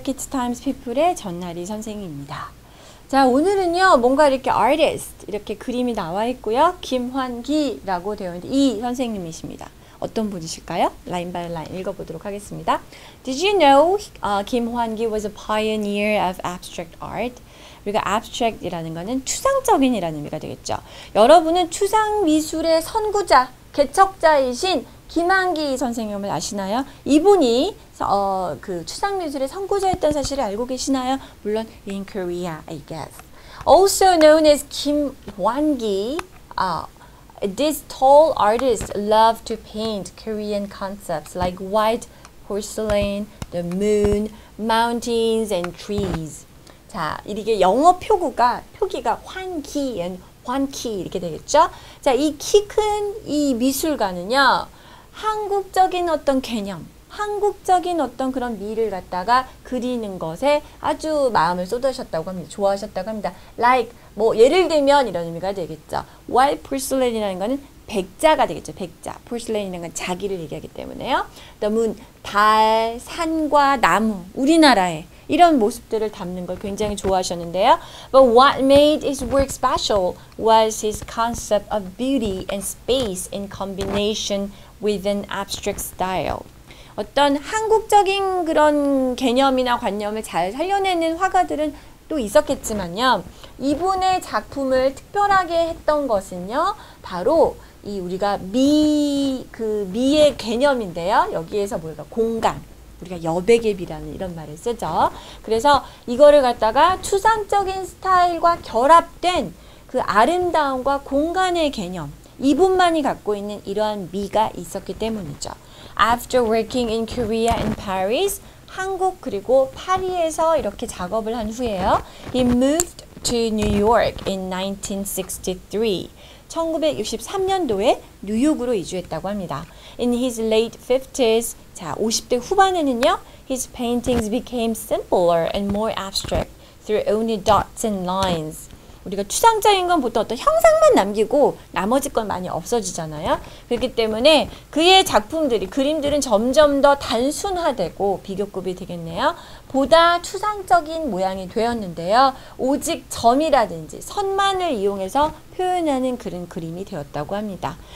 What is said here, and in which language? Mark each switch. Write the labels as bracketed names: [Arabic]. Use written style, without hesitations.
[Korean] 키즈타임즈 피플의 전나리 선생님입니다. 자, 오늘은요. 뭔가 이렇게 artist 이렇게 그림이 나와 있고요. 김환기라고 되어 있는데 이 선생님이십니다. 어떤 분이실까요? 라인 바이 라인 읽어보도록 하겠습니다. [English] Did you know Kim Hwan-gi was a pioneer of abstract art? [Korean] 우리가 abstract이라는 것은 추상적인이라는 의미가 되겠죠. 여러분은 추상미술의 선구자, 개척자이신 김환기 선생님을 아시나요? 이분이 그 추상미술의 선구자였던 사실을 알고 계시나요? 물론 [English] in Korea, I guess. Also known as Kim Hwan-gi, this tall artist loved to paint Korean concepts like white porcelain, the moon, mountains, and trees. [Korean] 자, 이게 영어 표기가 환기 and 환키 이렇게 되겠죠? 자, 이 키 큰 이 미술가는요. 한국적인 어떤 개념, 한국적인 어떤 그런 미를 갖다가 그리는 것에 아주 마음을 쏟으셨다고 합니다. 좋아하셨다고 합니다. Like, 뭐 예를 들면 이런 의미가 되겠죠. White porcelain이라는 것은 백자가 되겠죠. 백자. Porcelain이라는 건 자기를 얘기하기 때문에요. The moon, 달, 산과 나무, 우리나라에 이런 모습들을 담는 걸 굉장히 좋아하셨는데요. [English] But what made his work special was his concept of beauty and space in combination with an abstract style. [Korean] 어떤 한국적인 그런 개념이나 관념을 잘 살려내는 화가들은 또 있었겠지만요. 이분의 작품을 특별하게 했던 것은요. 바로 이 우리가 미의 개념인데요. 여기에서 뭐랄까 공간. 우리가 여백앱이라는 이런 말을 쓰죠. 그래서 이거를 갖다가 추상적인 스타일과 결합된 그 아름다움과 공간의 개념. 이분만이 갖고 있는 이러한 미가 있었기 때문이죠. [English] After working in Korea and Paris, [Korean] 한국 그리고 파리에서 이렇게 작업을 한 후에요. [English] He moved to New York in 1963. [Korean] 1963년도에 뉴욕으로 이주했다고 합니다. [English] In his late 50s, [Korean] 자, 50대 후반에는요. [English] His paintings became simpler and more abstract through only dots and lines. [Korean] 우리가 추상적인 건 보통 어떤 형상만 남기고 나머지 건 많이 없어지잖아요. 그렇기 때문에 그의 작품들이, 그림들은 점점 더 단순화되고 비교급이 되겠네요. 보다 추상적인 모양이 되었는데요. 오직 점이라든지 선만을 이용해서 표현하는 그런 그림이 되었다고 합니다.